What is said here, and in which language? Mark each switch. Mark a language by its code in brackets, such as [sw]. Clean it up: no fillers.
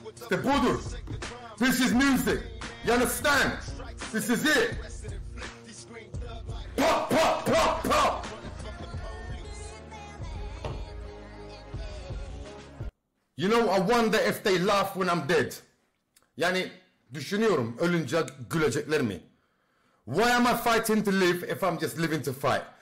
[en] The Buddha. This is music. You understand? This is it. Pop, pop, pop, pop. You know, I wonder if they laugh when I'm dead. [tr] Yani, düşünüyorum ölünce gülecekler mi? [en] Why am I fighting to live if I'm just living to fight?